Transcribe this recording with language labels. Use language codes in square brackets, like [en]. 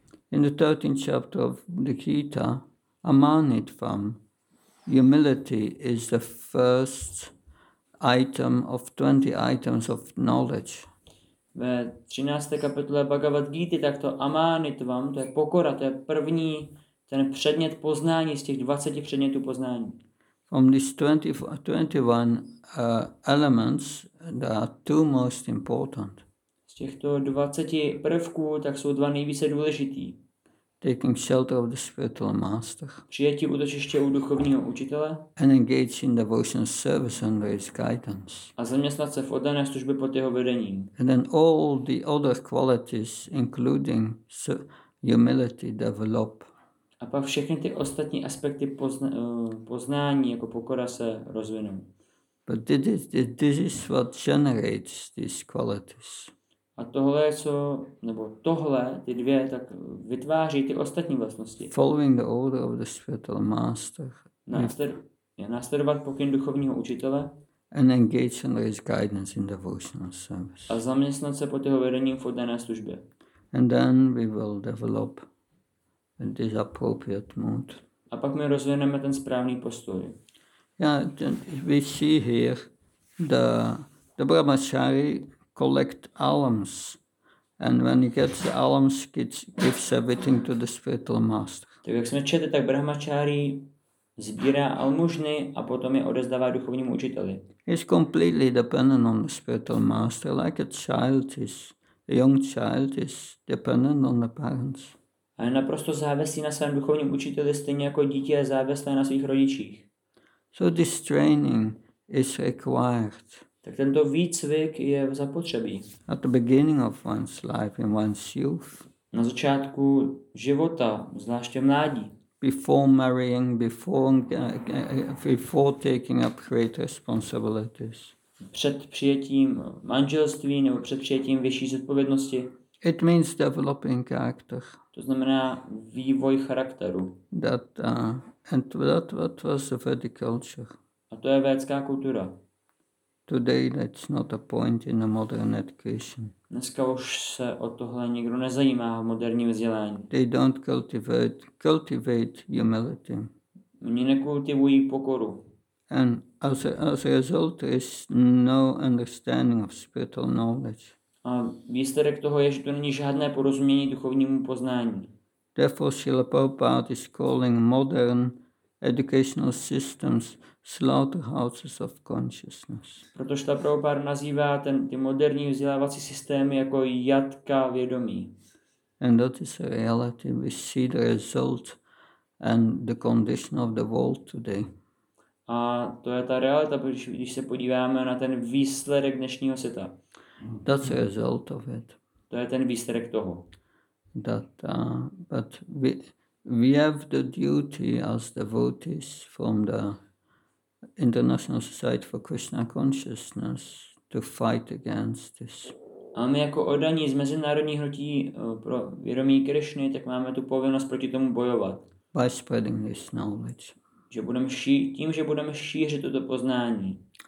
[en] In the 13th chapter of the Gita, Amanitvam, humility is the first item of 20 items of knowledge. [cs] Ve 13. kapitole Bhagavad Gita takto Amanitvam, to je pokora, to je první ten předmět poznání z těch 20 předmětů poznání. [en] From these 21 elements, there are two most important. [cs] Z těchto 20 prvků tak jsou dva nejvíce důležitý. [en] Taking shelter of the spiritual master. [cs] Přijetí útočiště u duchovního učitele. [en] And engage in devotional service under his guidance. [cs] A zaměstnat se v oddané službě pod jeho vedením. [en] And then all the other qualities, including humility, develop. [cs] A pak všechny ty ostatní aspekty poznání, jako pokora, se rozvinou. [en] But this is what generates these qualities. [cs] A tohle ty dvě tak vytváří ty ostatní vlastnosti. [en] Following the order of the spiritual master. [cs] Následovat pokyn duchovního učitele. [en] And engage under his guidance in devotional service. [cs] A zaměstnat se pod jeho vedením v oddané službě. [en] And then we will develop this appropriate mood. [cs] A pak my rozvineme ten správný postoj. [en] Yeah, we see here the brahmachari collect alms, and when he gets the alms, gives everything to the spiritual master. [cs] Tak jak jsme četli, tak brahmačáry sbírá almužny a potom je odezdává duchovnímu učiteli. [en] He's completely dependent on the spiritual master, like a young child is dependent on the parents. [cs] A je naprosto závislý na svém duchovním učiteli, stejně jako dítě je závislé na svých rodičích. [en] So this training is required. [cs] Tak tento výcvik je zapotřebí. [en] At the beginning of one's life, in one's youth. [cs] Na začátku života, zvláště mládí. [en] Before marrying, before taking up great responsibilities. [cs] Před přijetím manželství nebo před přijetím vyšší zodpovědnosti. [en] It means developing character. [cs] To znamená vývoj charakteru. [en] That was the Vedic culture. [cs] A to je védská kultura. [en] Today that's not a point in a modern education. [cs] Dneska už se o tohle nikdo nezajímá v moderním vzdělání. [en] They don't cultivate humility. [cs] Oni nekultivují pokoru. [en] And as a result is no understanding of spiritual knowledge. [cs] A výsledek toho je, že to není žádné porozumění duchovnímu poznání. [en] Therefore, Srila Prabhupada is calling modern educational systems slaughterhouses of consciousness. [cs] Protože Srila Prabhupada nazývá ty moderní vzdělávací systémy jako jatka vědomí. [en] And that is a reality. We see the result and the condition of the world today. [cs] A to je ta realita, když se podíváme na ten výsledek dnešního světa. [en] That's a result of it. [cs] To je ten výsledek toho. [en] That, but we have the duty as devotees from the International Society for Krishna Consciousness to fight against this. [cs] A my jako oddaní z mezinárodních hnutí pro vědomí Krishny, tak máme tu povinnost proti tomu bojovat. [en] By spreading this knowledge. [cs] Že budeme šířit toto poznání.